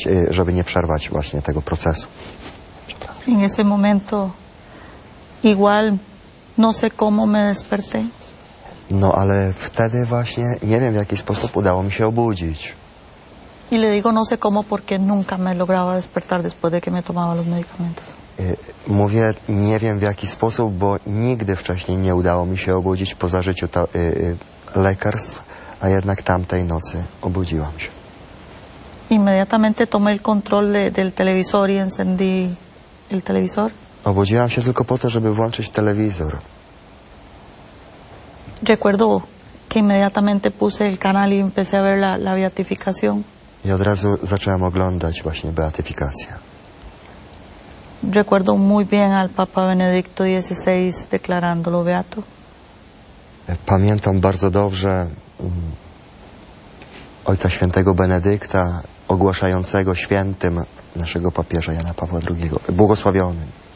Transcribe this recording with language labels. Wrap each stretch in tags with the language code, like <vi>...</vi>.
<pl>Żeby nie przerwać właśnie tego procesu.</pl> <es>En ese momento, igual, no sé cómo me desperté.</es> <pl>No, ale wtedy właśnie, nie wiem, w jaki sposób udało mi się obudzić.</pl> <es>Y le digo no sé cómo porque nunca me lograba despertar después de que me tomaba los medicamentos.</es> <pl>Mówię, nie wiem, w jaki sposób, bo nigdy wcześniej nie udało mi się obudzić po zażyciu lekarstw, a jednak tamtej nocy obudziłam się.</pl> <es>Inmediatamente tomé el control del televisor y encendí el televisor.</es> <pl>Obudziłam się tylko po to, żeby włączyć telewizor.</pl> <es>Recuerdo que inmediatamente puse el canal y empecé a ver la beatificación.</es> <pl>I od razu zacząłem oglądać właśnie beatyfikację.</pl> <es>Recuerdo muy bien al Papa Benedicto XVI declarándolo beato.</es> <pl>Pamiętam bardzo dobrze Ojca Świętego Benedykta ogłaszającego świętym naszego papieża Jana Pawła II, błogosławionym.</pl>